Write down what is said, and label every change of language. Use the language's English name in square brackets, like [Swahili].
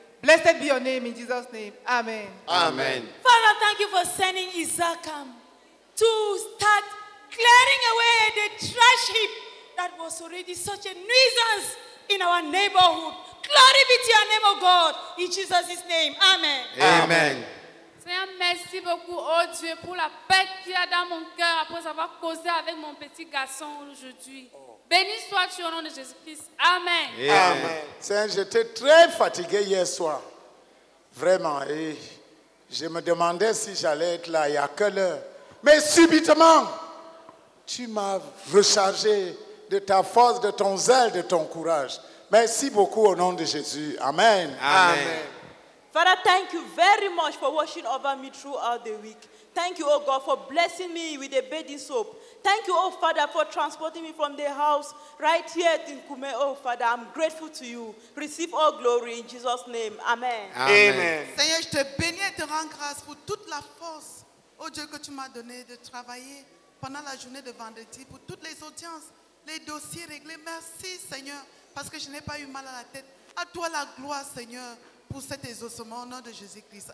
[English] Blessed be your name in Jesus' name. Amen. Amen. Father, thank you for sending Isaacam to start clearing away the trash heap that was already such a nuisance in our neighborhood. Glory be to your name, oh God, in Jesus' name. Amen. Amen. [French] Seigneur, merci beaucoup, oh Dieu, pour la paix qu'il y a dans mon cœur après avoir causé avec mon petit garçon aujourd'hui. Oh. Béni sois-tu au nom de Jésus-Christ. Amen. Yeah. Amen. Seigneur, j'étais très fatigué hier soir. Vraiment. Et je me demandais si j'allais être là, il y a quelle heure. Mais subitement, tu m'as rechargé de ta force, de ton zèle, de ton courage. Merci beaucoup au nom de Jésus. Amen. Amen. [English] Father, thank you very much for washing over me throughout the week. Thank you, oh God, for blessing me with a bathing soap. Thank you, oh Father, for transporting me from the house right here in Kume. Oh Father, I'm grateful to you. Receive all glory in Jesus' name. Amen. Amen. Amen. [French] Seigneur, je te bénis et te rends grâce pour toute la force, oh Dieu, que tu m'as donné de travailler pendant la journée de vendredi, pour toutes les audiences, les dossiers réglés. Merci, Seigneur, parce que je n'ai pas eu mal à la tête. À toi la gloire, Seigneur, pour cet exaucement, au nom de Jésus-Christ.